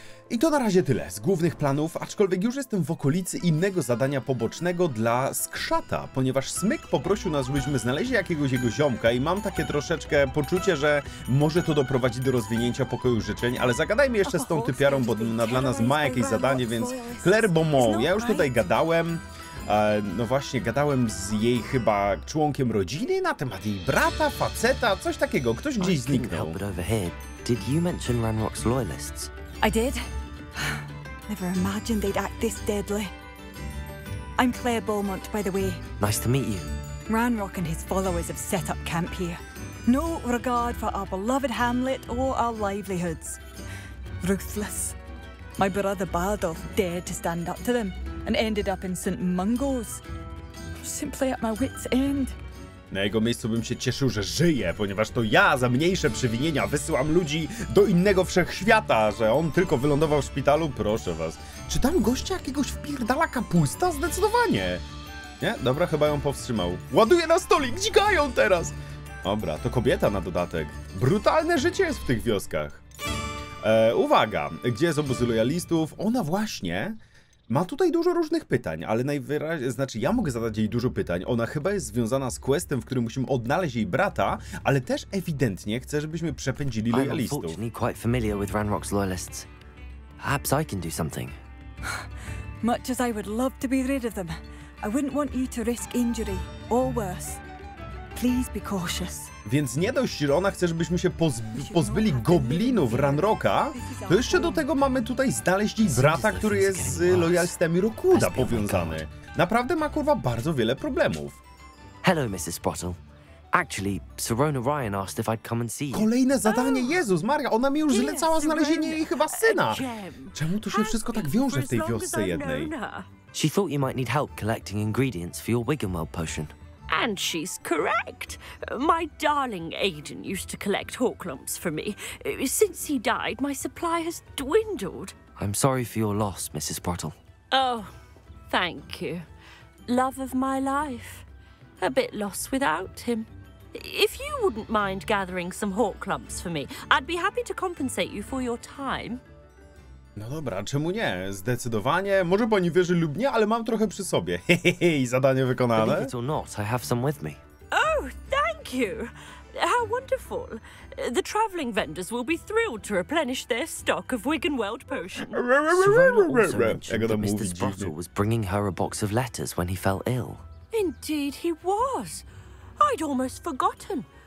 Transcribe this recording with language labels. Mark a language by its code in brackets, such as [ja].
[pl] I to na razie tyle z głównych planów, aczkolwiek już jestem w okolicy innego zadania pobocznego dla Skrzata, ponieważ Smyk poprosił nas, żebyśmy znaleźli jakiegoś jego ziomka i mam takie troszeczkę poczucie, że może to doprowadzić do rozwinięcia pokoju życzeń, ale zagadajmy jeszcze z tą typiarą, bo dla nas ma jakieś zadanie, więc Claire Beaumont, ja już tutaj gadałem. No właśnie, gadałem z jej chyba członkiem rodziny na temat jej brata, faceta, coś takiego. Ktoś gdzieś zniknął. [en] Did you mention Ranrock's loyalists? I did. Never imagined they'd act this deadly. I'm Claire Beaumont, by the way. Nice to meet you. Ranrock and his followers have set up camp here. No regard for our beloved Hamlet or our livelihoods. Ruthless. My brother Bardolf dared to stand up to them and ended up in St. Mungo's. Simply at my wit's end. [pl] Na jego miejscu bym się cieszył, że żyje, ponieważ to ja za mniejsze przewinienia wysyłam ludzi do innego wszechświata, że on tylko wylądował w szpitalu, proszę was. Czy tam gościa jakiegoś wpierdala kapusta? Zdecydowanie. Nie? Dobra, chyba ją powstrzymał. Ładuje na stolik, dzikają teraz! Dobra, to kobieta na dodatek. Brutalne życie jest w tych wioskach. Uwaga, gdzie jest obóz lojalistów? Ona właśnie ma tutaj dużo różnych pytań, ale najwyraźniej, znaczy ja mogę zadać jej dużo pytań. Ona chyba jest związana z questem, w którym musimy odnaleźć jej brata, ale też ewidentnie chce, żebyśmy przepędzili lojalistów. [en] I'm quite familiar with Ranrock's loyalists. Perhaps I can do something. Much as I would love to be rid of them, I wouldn't want you to risk injury or worse. Please be cautious. [pl] Więc nie dość, że ona chce, żebyśmy się pozbyli goblinów Ranrocka, to jeszcze do tego mamy tutaj znaleźć brata, który jest z lojalistami Rookwooda powiązany. naprawdę ma kurwa bardzo wiele problemów. [en] Hello, Mrs. Sprottle. Actually, Serona Ryan asked if I'd come and see you. [pl] Kolejne zadanie, Jezus Maria, ona mi już zlecała znalezienie jej chyba syna. Czemu to się wszystko tak wiąże w tej wiosce jednej? [en] She thought you might need help collecting ingredients for your Wiganweld potion. And she's correct. My darling Aiden used to collect hawk lumps for me. Since he died, my supply has dwindled. I'm sorry for your loss, Mrs. Brottle. Oh, thank you. Love of my life. A bit lost without him. If you wouldn't mind gathering some hawk lumps for me, I'd be happy to compensate you for your time. [pl] No dobra, czemu nie? Zdecydowanie. Może pani wierzy lub nie, ale mam trochę przy sobie. Hehehe, zadanie wykonane. [en] Believe it or not, I have some with me. Oh, thank you. How wonderful. The traveling vendors will be thrilled to replenish their stock of Wiganweld potions. Serona also mentioned that Mr. Sprottle was bringing her a box of letters when he fell ill. Indeed he was. I'd almost forgotten.